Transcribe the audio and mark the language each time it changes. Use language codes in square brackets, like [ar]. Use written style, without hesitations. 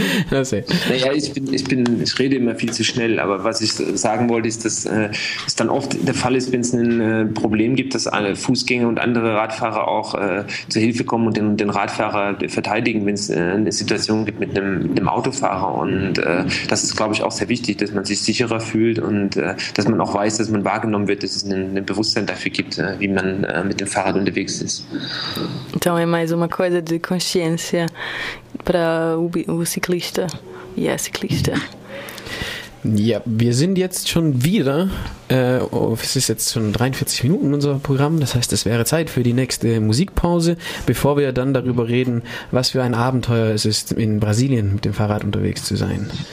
[de] Naja, ich rede immer viel zu schnell, aber was ich sagen wollte, ist, dass es dann oft der Fall ist, wenn es ein Problem gibt, dass alle Fußgänger und andere Radfahrer auch zu Hilfe kommen und den Radfahrer verteidigen, wenn es eine Situation gibt mit einem Autofahrer, und das ist, glaube ich, auch sehr wichtig, dass man sich sicherer fühlt und dass man auch weiß, dass man wahrgenommen wird, dass es ein Bewusstsein dafür gibt, wie man mit dem Fahrrad unterwegs ist. [pt] Então é mais uma coisa de consciência para o ciclista e a ciclista. [de] Ja, wir sind jetzt schon wieder, es ist jetzt schon 43 Minuten unser Programm, das heißt, es wäre Zeit für die nächste Musikpause, bevor wir dann darüber reden, was für ein Abenteuer es ist, in Brasilien mit dem Fahrrad unterwegs zu sein.